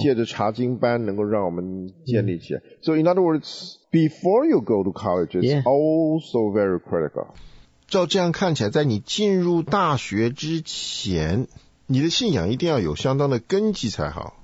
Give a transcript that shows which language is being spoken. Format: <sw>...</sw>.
<zh>借着查经班能够让我们建立起来。</zh> <en>So in other words,Before you go to college, it's also very critical.</en> <zh>照这样看起来，在你进入大学之前，你的信仰一定要有相当的根基才好。</zh>